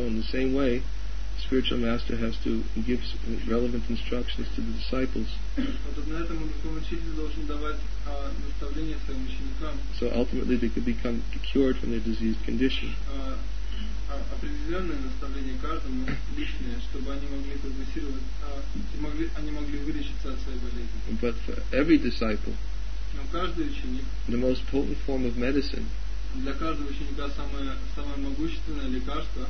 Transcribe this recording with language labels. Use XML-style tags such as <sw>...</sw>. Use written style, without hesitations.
<en>So in the same way, the spiritual master has to give relevant instructions to the disciples.</en> <ru>Подобно этому, духовный учитель должен давать наставления своим ученикам.</ru> <en>So ultimately, they could become cured from their diseased condition.</en> <ru>Определенные наставления каждому личные, чтобы они могли прогрессировать, они могли вылечиться от своей болезни.</ru> <en>But for every disciple. The most potent form of medicine,</en> <ru>для каждого ученика самое могущественное лекарство,</ru>